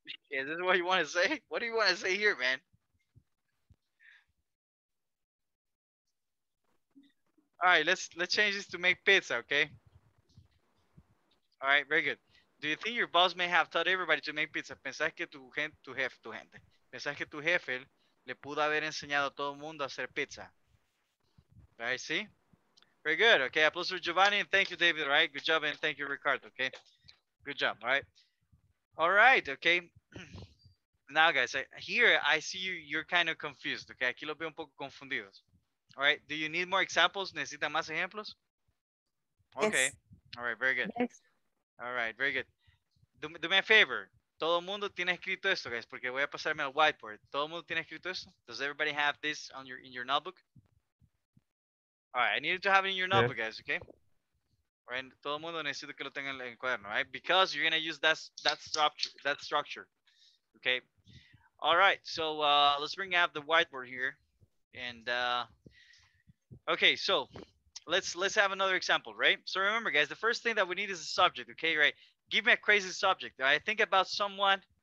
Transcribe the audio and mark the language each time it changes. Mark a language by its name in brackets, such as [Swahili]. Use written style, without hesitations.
[English] Is this what you want to say? What do you want to say here, man? All right, let's change this to make pizza, okay? All right, very good. Do you think your boss may have taught everybody to make pizza? [Spanish] ¿Pensás que tu gente? ¿Pensás que tu jefe le pudo haber enseñado a todo el mundo a hacer pizza? [English] All right, see? Very good, okay. Applause for Giovanni and thank you, David, all right? Good job and thank you, Ricardo, okay? Good job, all right? All right, okay. Now, guys, I see you're kind of confused, okay? [Spanish] Aquí lo veo un poco confundidos. [English] All right, do you need more examples? [Spanish] ¿Necesita más ejemplos? Okay, [English] yes. All right, very good. Yes. All right, very good. Do me a favor. [Spanish] Todo mundo tiene escrito esto, guys, porque voy a pasarme al whiteboard. Todo mundo tiene escrito esto. [English] Does everybody have this on in your notebook? All right, I need to have it in your notebook, guys, okay? [Spanish] All right, todo mundo necesito que lo tenga en el cuaderno, right? [English] Because you're going to use that structure, okay? All right, so let's bring out the whiteboard here. And okay, so let's have another example, right? So remember, guys, the first thing that we need is a subject, okay? Right? Give me a crazy subject. Right? Think about someone.